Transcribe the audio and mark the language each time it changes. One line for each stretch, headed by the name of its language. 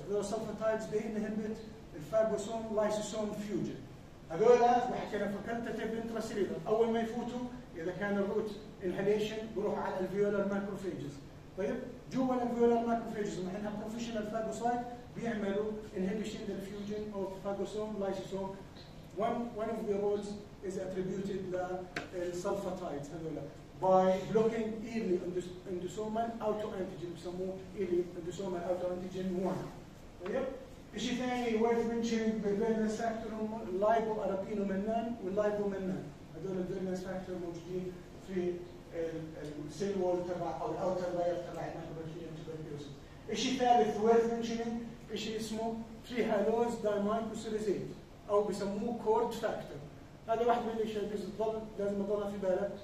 Arabic: هذول السلفاتايدز دي انهبت الفاجوسوم لايسوسوم فيوجن، هذول ما حكينا فكنتاتيف انتراسيلولر، اول ما يفوتوا اذا كان الروت انهليشن بيروحوا على الفيولر ماكروفيجز. طيب جوا الفيولر ماكروفيجز ما عندنا بروفيشنال فاجوسايت بيعملوا انهبيشن للفيوجن اوف فاجوسوم لايسوسوم.
English: One of the roles is attributed to sulfatides.
Arabic: هذولا
English: by blocking
Arabic: early endosomal autoantigen بسموه early endosomal autoantigen 1. طيب إشي ثاني
English: worth mentioning
Arabic: بالفيرنس فاكتور هم لايبو أرابينو منان واللايبو منان، هذول الفيرنس فاكتور موجودين في السيل وول تبع أو الأوتر لاير تبع الميكروبكتيريا تبركلوسيس. إشي ثالث
English: worth mentioning
Arabic: إشي اسمه تري هالوز دايمايكوسيليزيت او بسموه كورد فاكتور، هذا واحد من الاشياء اللي تضل لازم تضلها في بالك.